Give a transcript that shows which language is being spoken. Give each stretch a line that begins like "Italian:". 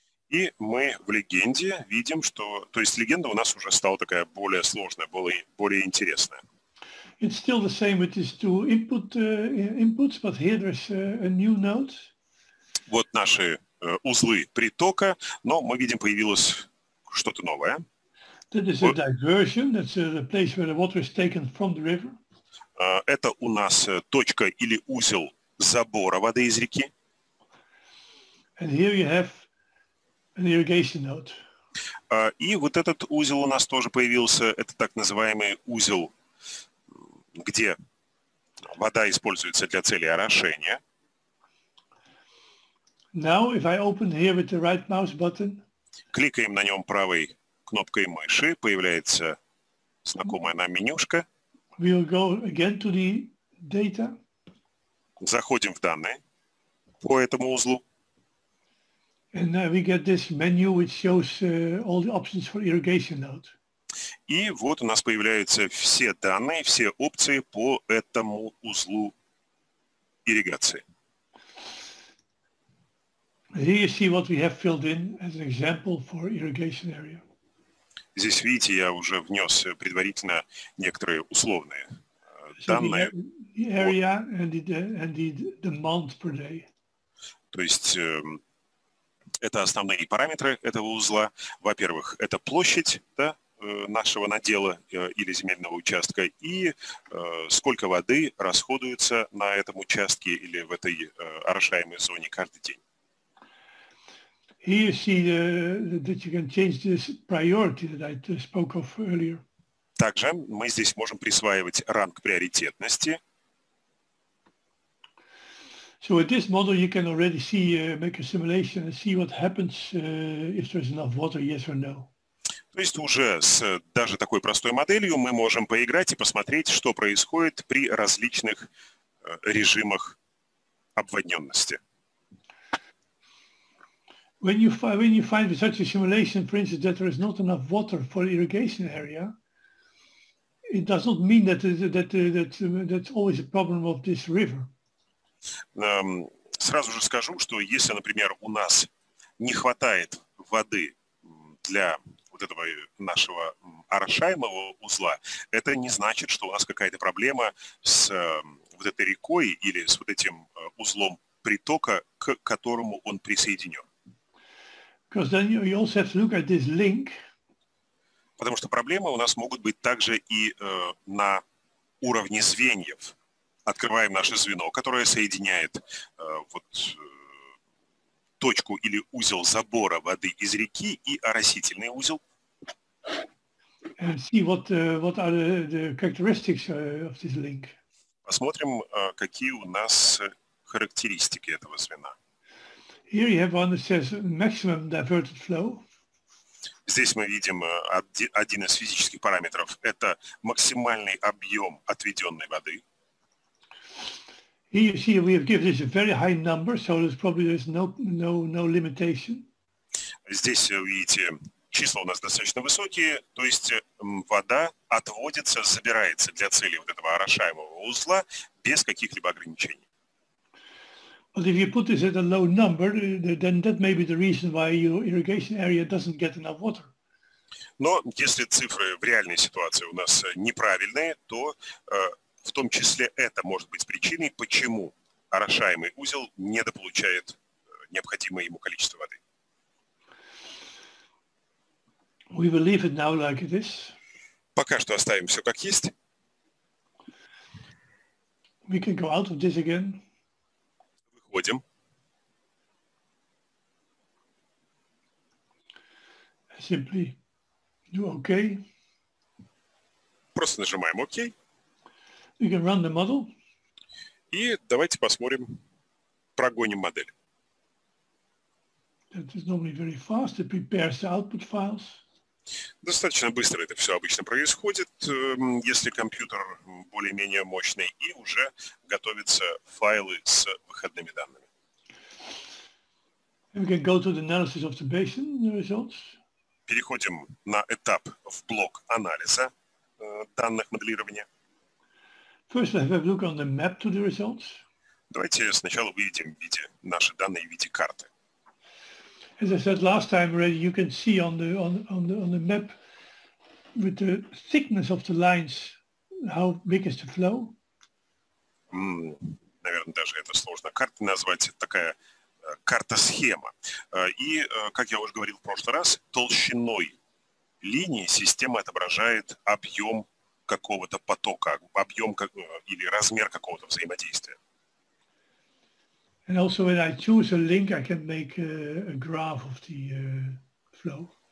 Russian: И мы в легенде видим, что, то есть легенда у нас уже стала такая более сложная, более интересная.
English: It's still the same with these two inputs, but here there's a new node.
Russian: Вот наши узлы притока, но мы видим, появилось что-то новое.
English: That is a diversion. That's the place where the water is taken from the river.
Russian: Это у нас точка или узел забора воды из реки.
English: And here you have an irrigation node.
Russian: И вот этот узел у нас тоже появился. Это так называемый узел, где вода используется для цели орошения.
English: Now, if I open here with the right mouse button.
Russian: Кликаем на нем правой кнопкой мыши, появляется знакомая нам менюшка.
English: We'll go again to the data.
Russian: Заходим в данные по этому узлу.
English: And we get this menu which shows all the options for irrigation node.
Russian: И вот у нас появляются все данные, все опции по этому узлу ирригации.
English: Here you see what we have filled in as an example for irrigation area.
Russian: Здесь, видите, я уже внес предварительно некоторые условные данные.
English: The area and the month per day.
Russian: То есть это основные параметры этого узла. Во-первых, это площадь, да, нашего надела или земельного участка, и сколько воды расходуется на этом участке или в этой орошаемой зоне каждый день.
English: Here you see that you can change this priority that I spoke of earlier.
Russian: Также мы здесь можем присваивать ранг приоритетности.
English: So with this model you can already see, make a simulation and see what happens if there's enough water, yes or no.
Russian: То есть уже с даже такой простой моделью мы можем поиграть и посмотреть, что происходит при различных режимах обводненности.
English: When you find with such a simulation, for instance, that there is not enough water for the irrigation area, it does not mean that that's always a problem of this river.
Russian: Сразу же скажу, что если, например, у нас не хватает воды для вот этого нашего орошаемого узла, это не значит, что у нас какая-то проблема с вот этой рекой или с вот этим узлом притока, к которому он присоединен.
English: Because then you also have to look at this link.
Russian: Потому что проблемы у нас могут быть также и на уровне звеньев. Открываем наше звено, которое соединяет точку или узел забора воды из реки и оросительный узел.
English: And see what are the characteristics of this link.
Russian: Посмотрим, какие у нас характеристики этого звена.
English: Here you have one that says maximum diverted flow.
Russian: Здесь мы видим один из физических параметров. Это максимальный объем отведенной воды.
English: Here you see we have given this a very high number, so there's probably no limitation.
Russian: Здесь вы видите, числа у нас достаточно высокие, то есть вода отводится, забирается для цели вот этого орошаемого узла без каких-либо ограничений.
English: But if you put this at a low number, then that may be the reason why your irrigation area doesn't get enough water.
Russian: Но если цифры в реальной ситуации у нас неправильные, то в том числе это может быть причиной, почему орошаемый узел недополучает необходимое ему количество воды.
English: We will leave it now like it is.
Russian: Пока что оставим все как есть.
English: We can go out of this again.
Russian: Выходим.
English: Simply do okay.
Russian: Просто нажимаем OK.
English: We can run the model.
Russian: И давайте посмотрим, прогоним модель.
English: That is normally very fast. It prepares the output files.
Russian: Достаточно быстро это все обычно происходит, если компьютер более-менее мощный, и уже готовятся файлы с выходными данными.
English: We can go to the analysis of the basin results.
Russian: Переходим на этап в блок анализа данных моделирования.
English: First, let's have a look on the map to the results.
Russian: Давайте сначала выведем наши данные в виде карты.
English: As I said last time already, you can see on the map with the thickness of the lines how big is the flow.
Russian: Наверное, даже это сложно карты назвать, такая карта-схема. И, как я уже говорил в прошлый раз, толщиной линии система отображает объем какого-то потока, объем или размер какого-то взаимодействия.
English: And also when I choose a link, I can make a graph of the flow.